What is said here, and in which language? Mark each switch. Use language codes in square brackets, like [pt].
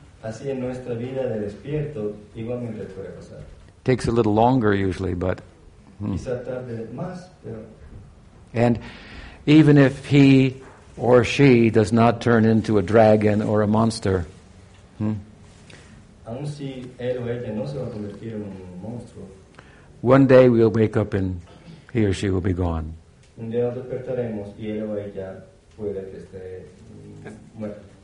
[es] Así en nuestra vida de despierto igualmente puede pasar. [en] Takes a little longer usually, but [es] quizá tarde más, pero [en] and even if he or she does not turn into a dragon or a monster, [es] aun si él o ella no se va a convertir en un monstruo, [en] one day we'll wake up and he or she will be gone. [es] Un día nos despertaremos y él o ella puede que esté muerto.